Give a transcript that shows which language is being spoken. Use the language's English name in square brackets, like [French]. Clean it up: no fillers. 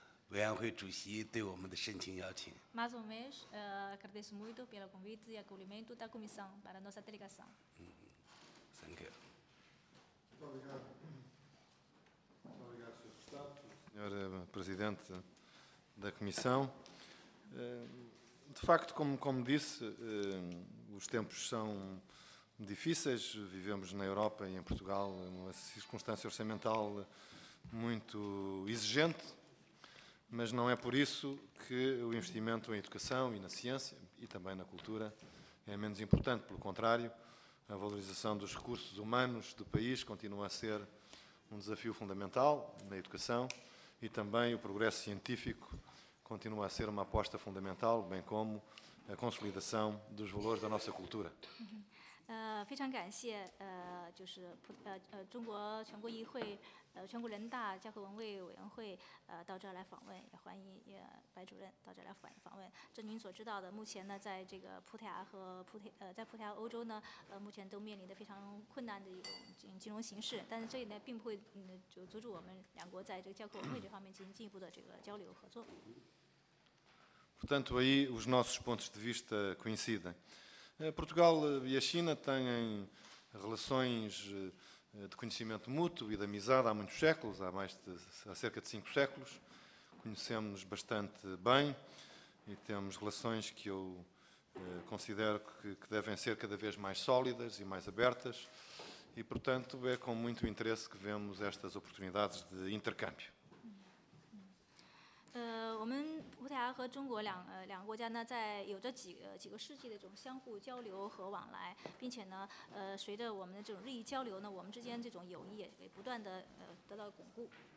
[Chinese] 委员会主席对我们的深情邀请。 [Portuguese] Mais uma vez, agradeço muito pelo convite e acolhimento da comissão para nossa delegação. [English] Thank you. [Portuguese] Obrigado, senhor presidente da comissão. De facto, como disse, os tempos são difíceis. Vivemos na Europa e em Portugal uma circunstância orçamental muito exigente, mas não é por isso que o investimento em educação e na ciência e também na cultura é menos importante. Pelo contrário, a valorização dos recursos humanos do país continua a ser um desafio fundamental na educação e também o progresso científico continua a ser uma aposta fundamental, bem como a consolidação dos valores da nossa cultura. [Chinese] 非常感谢，就是中国全国议会。全国人大教科文卫委员会到这儿来访问，也欢迎也白主任到这儿来访问。正您所知道的，目前呢，在这个葡萄牙欧洲呢，目前都面临的非常困难的一种金融形势。但是这里呢，并不会就阻止我们两国在这个教科文卫这方面进行进一步的这个交流合作。 [Portuguese] Portanto, aí os nossos pontos de vista coincidem. Portugal e a China têm relações de conhecimento mútuo e de amizade há muitos séculos, há cerca de 5 séculos. Conhecemos-nos bastante bem e temos relações que eu considero que devem ser cada vez mais sólidas e mais abertas. E, portanto, é com muito interesse que vemos estas oportunidades de intercâmbio. [Chinese] 我们葡萄牙和中国两个国家呢，在有着几个世纪的这种相互交流和往来，并且呢，随着我们的这种日益交流呢，我们之间这种友谊也不断的得到巩固。